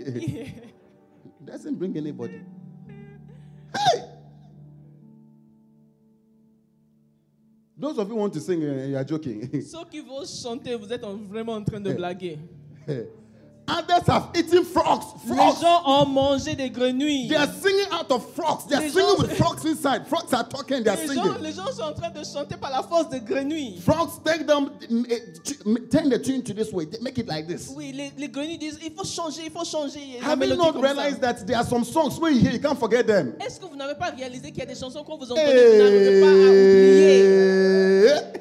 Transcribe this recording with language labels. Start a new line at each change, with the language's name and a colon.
English: It doesn't bring anybody. Hey, those of you who want to sing, you are joking.
French: Ceux qui veulent chanter, vous êtes vraiment en train de blaguer.
English: Others have eaten frogs.
French: Les gens ont mangé des grenouilles.
English: They are singing out of frogs. They are singing with frogs inside. Frogs are talking. They are singing.
French: Les gens sont en train de chanter par la force de grenouilles.
English: Frogs take them, turn the tune to this way. Make it like this.
French: Oui, les grenouilles disent, il faut changer.
English: Have you not realized that there are some songs where you hear, you can't forget them?
French: Est-ce que vous n'avez pas réalisé qu'il y a des chansons qu'on vous entend, hey, que vous n'arrivez pas à oublier?